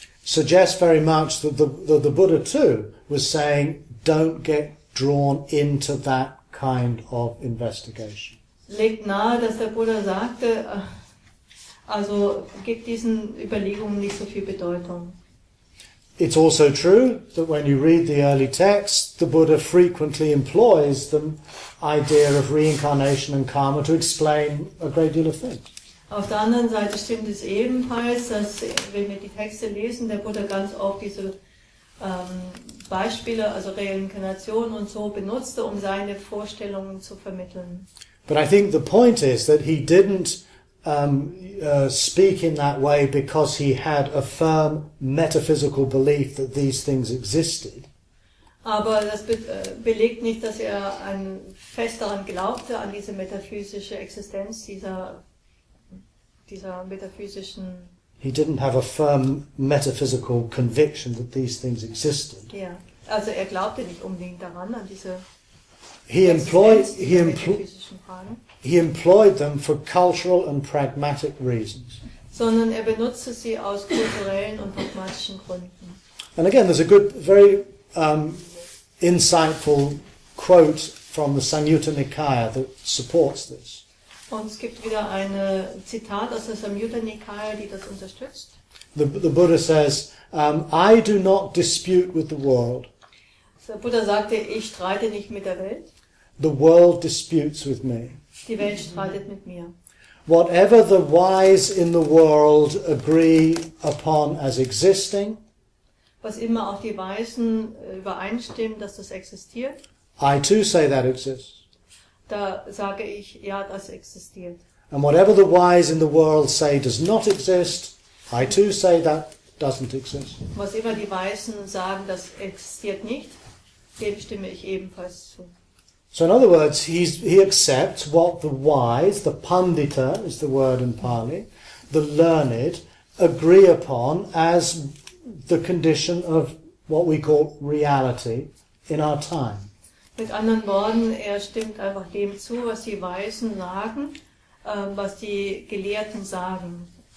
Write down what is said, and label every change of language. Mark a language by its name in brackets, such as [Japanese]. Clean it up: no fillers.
[English] suggests very much that the Buddha too was saying, don't get drawn into that kind of investigation. [German] Legt nahe, dass der Buddha sagte, also gib diesen Überlegungen nicht so viel Bedeutung. [English] It's also true that when you read the early texts, the Buddha frequently employs the idea of reincarnation and karma to explain a great deal of things. [German] Auf der anderen Seite stimmt es ebenfalls, dass wenn wir die Texte lesen, der Buddha ganz oft diese Beispiele, also Reinkarnation und so, benutzte, um seine Vorstellungen zu vermitteln. [English] But I think the point is that he didn't speak in that way because he had a firm metaphysical belief that these things existed. [German] Aber das belegt nicht, dass er an fest daran glaubte, an diese metaphysische Existenz dieser metaphysischen. [English] He didn't have a firm metaphysical conviction that these things existed. [German] Ja, also er glaubte nicht unbedingt daran, an diese. [English] He employed them for cultural and pragmatic reasons. [German] Sondern er benutzte sie aus kulturellen und pragmatischen Gründen. [English] And again, there's a good, very insightful quote from the Samyutta Nikaya that supports this. [German] Und es gibt wieder ein Zitat aus der Samyutta Nikaya, die das unterstützt. [English] The Buddha says, I do not dispute with the world. [German] Der Buddha sagte, ich streite nicht mit der Welt. [English] The world disputes with me. [German] Die Welt streitet mit mir. [English] Whatever the wise in the world agree upon as existing, [German] was immer auch die Weisen übereinstimmen, dass das existiert, [English] I too say that exists. [German] Da sage ich, ja, das existiert. [English] And whatever the wise in the world say does not exist, I too say that doesn't exist. [German] Was immer die Weisen sagen, das existiert nicht, dem stimme ich ebenfalls zu. [English] So in other words, he accepts what the wise, the pandita is the word in Pali, the learned, agree upon as the condition of what we call reality in our time. [German] Mit anderen Worten, stimmt einfach dem zu, was die Weisen sagen, was die Gelehrten sagen.